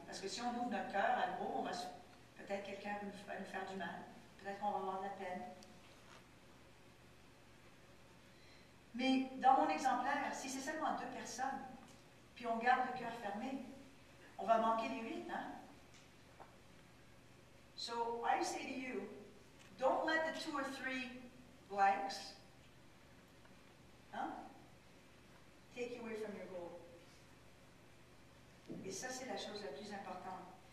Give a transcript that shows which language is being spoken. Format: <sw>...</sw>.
<fr>Parce que si on ouvre notre cœur, en gros, on va peut-être quelqu'un va nous faire du mal. Peut-être qu'on va avoir de la peine. Mais dans mon exemplaire, si c'est seulement deux personnes, puis on garde le cœur fermé, on va manquer les huit, hein?</fr> <en>So, I say to you, don't let the two or three blanks, hein, take you away from your goal.</en> <fr>Et ça, c'est la chose la plus importante.</fr>